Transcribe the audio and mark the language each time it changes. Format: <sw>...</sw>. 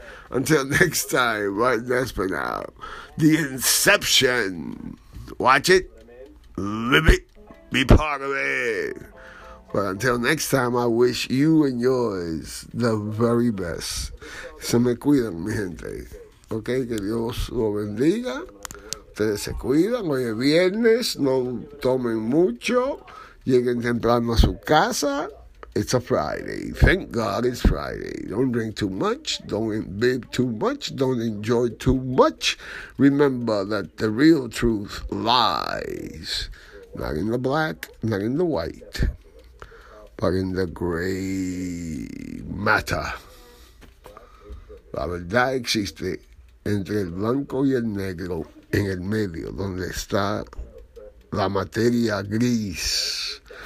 <en>Until next time, right? That's for now. The inception. Watch it, live it, be part of it. But until next time, I wish you and yours the very best.</en> <es>Se me cuidan, mi gente. Okay, que Dios lo bendiga. Ustedes se cuidan, hoy es viernes, no tomen mucho, lleguen temprano a su casa.</es> <en>It's a Friday. Thank God it's Friday. Don't drink too much, don't bib too much, don't enjoy too much. Remember that the real truth lies not in the black, not in the white, but in the gray matter.</en> <es>La verdad existe entre el blanco y el negro. En el medio, donde está la materia gris.</es>